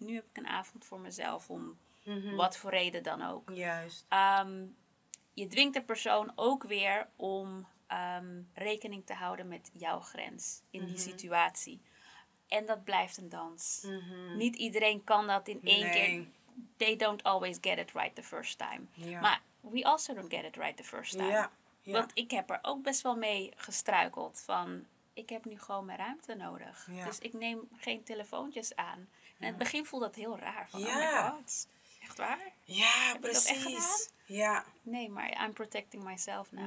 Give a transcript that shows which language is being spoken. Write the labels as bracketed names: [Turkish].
[Dutch] Nu heb ik een avond voor mezelf om mm-hmm. wat voor reden dan ook. Juist. Je dwingt de persoon ook weer om rekening te houden met jouw grens in mm-hmm. die situatie. En dat blijft een dans. Mm-hmm. Niet iedereen kan dat in één keer. [English] They don't always get it right the first time. [Dutch] Ja. Maar [English] we also don't get it right the first time. [Dutch] Ja. Ja. Want ik heb er ook best wel mee gestruikeld van, ik heb nu gewoon mijn ruimte nodig. Ja. Dus ik neem geen telefoontjes aan. En in het begin voelde dat heel raar. Van, ja. [English] Oh my god. [Dutch] Echt waar? Ja, heb precies. Ja. Nee, maar [English] I'm protecting myself now.